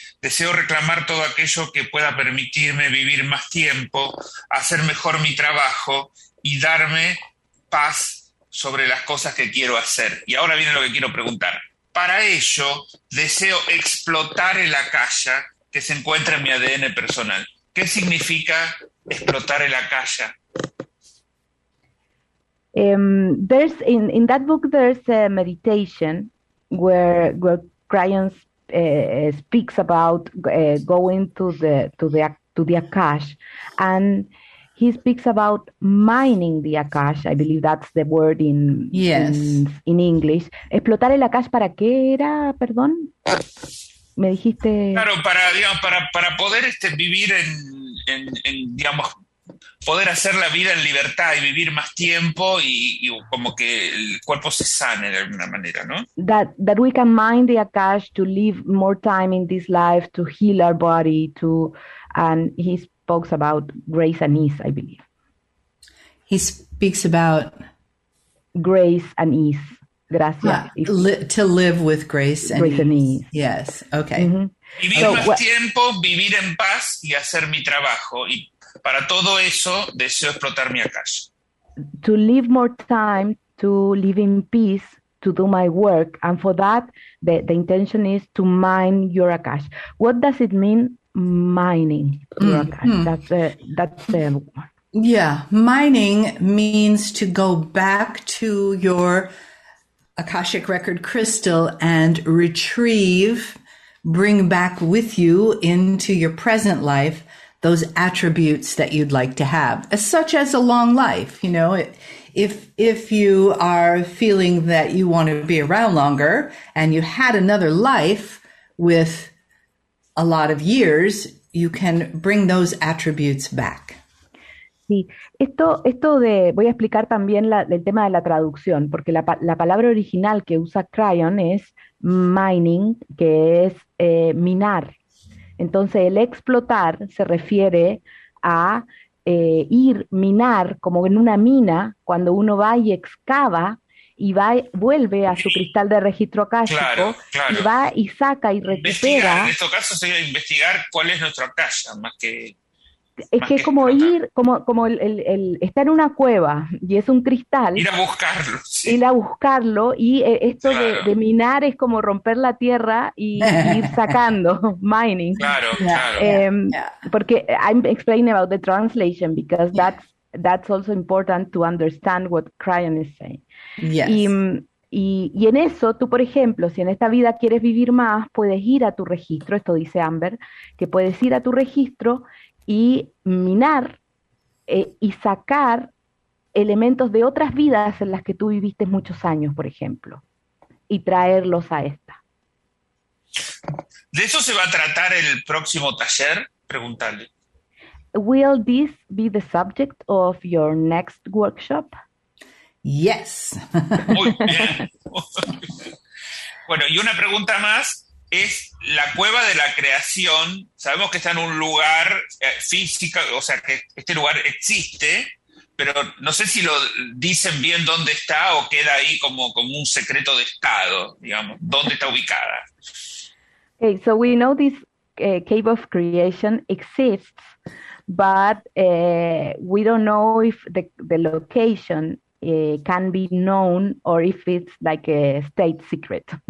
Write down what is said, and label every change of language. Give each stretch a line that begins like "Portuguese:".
Spanish: Deseo reclamar todo aquello que pueda permitirme vivir más tiempo, hacer mejor mi trabajo y darme paz sobre las cosas que quiero hacer. Y ahora viene lo que quiero preguntar. Para ello, deseo explotar el Akasha que se encuentra en mi ADN personal. ¿Qué significa explotar el Akasha?
English: There's in that book there's a meditation where Kryon speaks about going to the Akash, and he speaks about mining the Akash. I believe that's the word in English.
Spanish: Explotar el Akash, ¿para qué era? Perdón, me dijiste. Claro, para poder vivir en digamos. Poder hacer la vida en libertad y vivir más tiempo y como que el cuerpo se sane de alguna manera, ¿no?
English: That we can mind the Akash to live more time in this life, to heal our body, to, and he spoke about grace and ease, I believe. He speaks about grace and ease.
Spanish: Gracias.
English: Yeah, to live with grace and ease. Yes, okay. Mm-hmm.
Spanish: Vivir so, más tiempo, vivir en paz y hacer mi trabajo y para todo eso, deseo explotar mi Akasha.
English: To live more time, to live in peace, to do my work. And for that, the intention is to mine your Akasha. What does it mean, mining your Akasha? Mm-hmm. That's yeah, mining means to go back to your Akashic record crystal and retrieve, bring back with you into your present life those attributes that you'd like to have, such as a long life. You know, if you are feeling that you want to be around longer and you had another life with a lot of years, you can bring those attributes back.
Spanish: Sí, esto de, voy a explicar también el tema de la traducción, porque la palabra original que usa Kryon es mining, que es minar. Entonces, el explotar se refiere a ir minar como en una mina, cuando uno va y excava y va vuelve a su cristal de registro akáshico, claro, claro. Y va y saca y recupera. En este caso sería investigar cuál es nuestro akasha, más que es como explotar. Ir, como el está en una cueva y es un cristal. Ir a buscarlo. Sí. Ir a buscarlo y esto claro. De minar es como romper la tierra y ir sacando, mining. Claro, claro. Porque
English: I'm explaining about the translation because that's also important to understand what Kryon is saying. Yes.
Spanish: Y en eso, tú, por ejemplo, si en esta vida quieres vivir más, puedes ir a tu registro, esto dice Amber, que puedes ir a tu registro y minar y sacar elementos de otras vidas en las que tú viviste muchos años, por ejemplo, y traerlos a esta. ¿De eso se va a tratar el próximo taller? Pregúntale.
English: Will this be the subject of your next workshop? Yes.
Spanish: Muy bien. Bueno, y una pregunta más. Es la cueva de la creación. Sabemos que está en un lugar físico, o sea, que este lugar existe, pero no sé si lo dicen bien dónde está o queda ahí como un secreto de estado, digamos, dónde está ubicada.
English: Okay, so we know this cave of creation exists, but we don't know if the location can be known or if it's like a state secret.